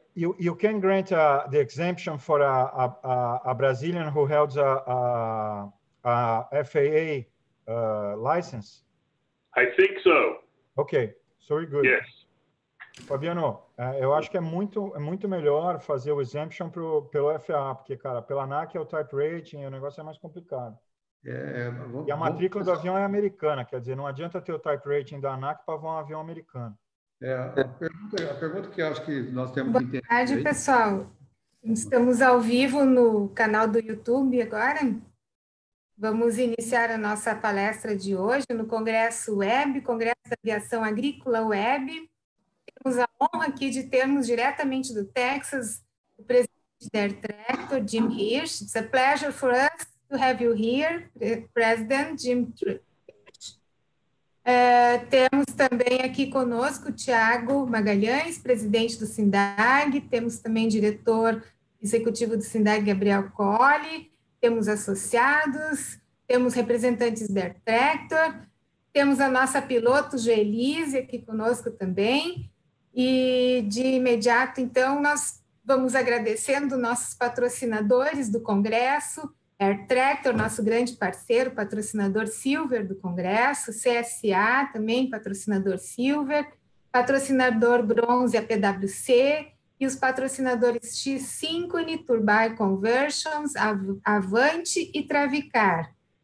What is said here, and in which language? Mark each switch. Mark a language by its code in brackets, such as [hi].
[en] You can grant the exemption for a Brazilian who holds a FAA license? I think so. Okay, so we're good. Yes. [pt] Fabiano, eu acho que é muito melhor fazer o exemption pelo FAA, porque, cara, pela ANAC é o type rating, o negócio é mais complicado. [en] Yeah, [pt] e a matrícula do avião é americana, quer dizer, não adianta ter o type rating da ANAC para voar um avião americano. É, a pergunta que eu acho que nós temos Boa que entender. Boa tarde, aí. Pessoal. Estamos ao vivo no canal do YouTube agora. Vamos iniciar a nossa palestra de hoje no Congresso Web, Congresso da Aviação Agrícola Web. Temos a honra aqui de termos diretamente do Texas o presidente da Air Tractor, Jim Hirsch. [en] It's a pleasure for us to have you here, President Jim Hirsch. [pt] Temos também aqui conosco o Thiago Magalhães, presidente do SINDAG, temos também diretor executivo do SINDAG, Gabriel Colli, temos associados, temos representantes da Air Tractor, temos a nossa piloto, Joelise, aqui conosco também, e de imediato, então, nós vamos agradecendo nossos patrocinadores do Congresso, Air Tractor, nosso grande parceiro, patrocinador Silver do Congresso, CSA também, patrocinador Silver, patrocinador Bronze, a PwC, e os patrocinadores X-Synchrony, Turbine Conversions, Avante e Travicar.